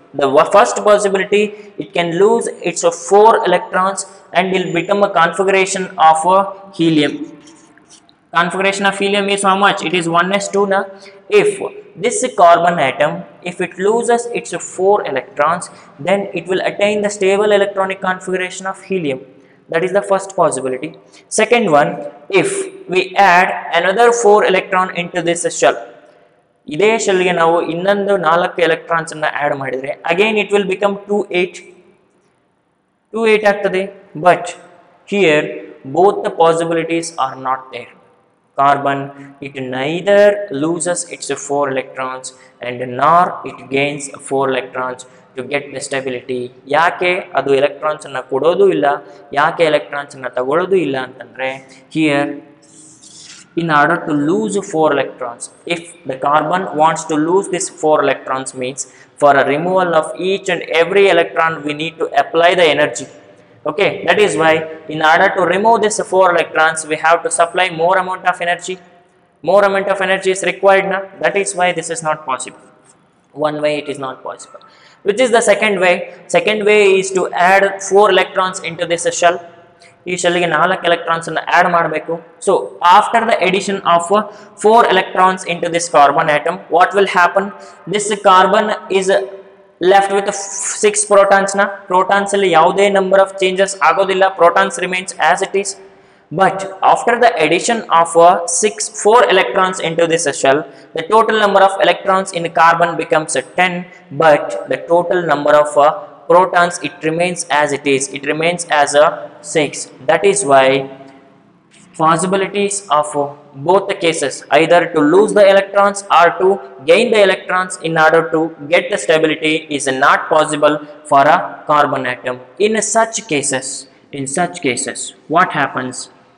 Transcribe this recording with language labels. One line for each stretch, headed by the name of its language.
English: The first possibility, it can lose its 4 electrons and will become a configuration of helium. Configuration of helium is how much? It is 1s2 na. If this carbon atom, if it loses its 4 electrons, then it will attain the stable electronic configuration of helium. That is the first possibility. Second one, if we add another 4 electron into this shell,
Kannada: ಇದೇ ಶೆಲ್ಗೆ ನಾವು ಇನ್ನೊಂದು 4 electrons ಅನ್ನು add ಮಾಡಿದರೆ again it will become 2-8 ಆಗ್ತದೆ.
English: But here both the possibilities are not there. Carbon it neither loses its 4 electrons and nor it gains 4 electrons to get the stability.
Kannada: ಯಾಕೆ ಅದು electrons ಅನ್ನು ಕೊಡೋದು ಇಲ್ಲ, ಯಾಕೆ ಎಲೆಕ್ಟ್ರಾನ್ಸ್ ಅನ್ನು ತಗೊಳ್ಳೋದು ಇಲ್ಲ ಅಂತಂದರೆ, here
English: in order to lose 4 electrons, if the carbon wants to lose this 4 electrons, means for a removal of each and every electron we need to apply the energy. Okay, that is why in order to remove this 4 electrons we have to supply more amount of energy. More amount of energy is required na, that is why this is not possible. One way it is not possible. Which is the second way? Second way is to add 4 electrons into this shell.
Kannada: ಈ ಶೆಲ್ಗೆ 4 electrons ಅನ್ನು add ಮಾಡಬೇಕು.
English: So after the addition of 4 electrons in to this carbon atom, what will happen? This carbon is left with 6 protons ನ. Protons ಅಲ್ಲಿ ಯಾವುದೇ number of changes ಆಗೋದಿಲ್ಲ, protons remains as it is. But after the addition of 4 electrons in to this shell, the total number of electrons in carbon becomes 10, but the total number of protons it remains as it is, it remains as a 6. That is why possibilities of both the cases, either to lose the electrons or to gain the electrons in order to get the stability, is not possible for a carbon atom. In such cases, what happens?